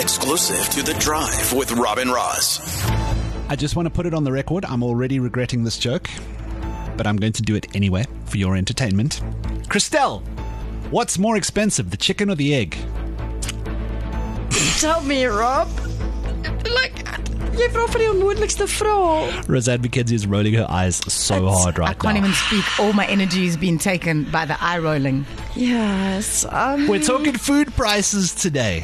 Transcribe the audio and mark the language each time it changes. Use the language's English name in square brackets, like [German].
[English] Exclusive to The Drive with Robin Ross. I just want to put it on the record. I'm already regretting this joke, but I'm going to do it anyway for your entertainment. Christelle, what's more expensive, the chicken or the egg? Tell me, Rob. [Afrikaans] Like, jy vra vir die onmoontlikste vraag. [English] Rosette McKenzie is rolling her eyes so hard right now. I can't now. Even speak. All my energy has been taken by the eye rolling. Yes. We're talking food prices today.